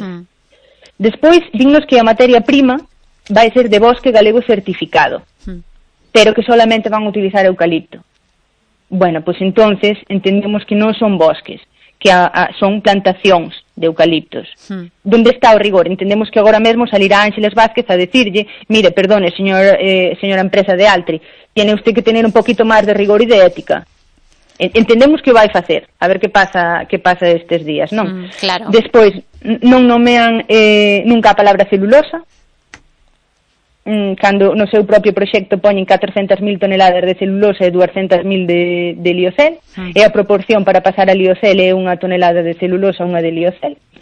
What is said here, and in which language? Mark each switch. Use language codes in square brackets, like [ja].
[gl] Sí. Despois, dinos que a materia prima vai ser de bosque galego certificado, sí. Pero que solamente van utilizar eucalipto. Bueno, pois entonces entendemos que non son bosques, que son plantacións de eucaliptos. Sí. ¿Dónde está o rigor? Entendemos que agora mesmo salirá Ángeles Vázquez a decirlle, [es] mire, perdone, señora empresa de Altri, tiene usted que tener un poquito más de rigor y de ética. [gl] Entendemos que vai facer, a ver que pasa estes días, non? Claro. Despois, non nomean nunca a palabra celulosa, cando no seu propio proxecto poñen 400.000 toneladas de celulosa e 200.000 de liocel, e a proporción para pasar a liocel é unha tonelada de celulosa unha de liocel.